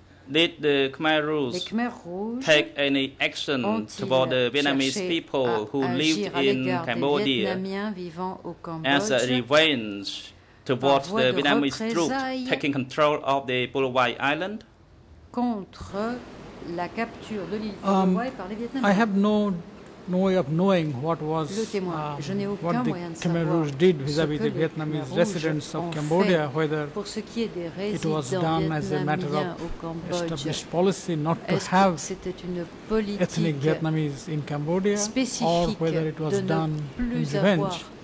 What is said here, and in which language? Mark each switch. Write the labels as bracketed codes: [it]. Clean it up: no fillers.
[en] Did the Khmer Rouge, take any action toward the Vietnamese people who lived in Cambodia [fr] au Cambodge, [en] as a revenge toward the Vietnamese troops taking control of the Po Lo Wai Island? [fr] Contre la capture de l'île Po Lo Wai par les Vietnamiens. [en] I have no way of knowing what was what the Khmer Rouge did vis-à-vis the Vietnamese residents of Cambodia, whether it was done as a matter of established policy not to have ethnic Vietnamese in Cambodia, or whether it was done in revenge.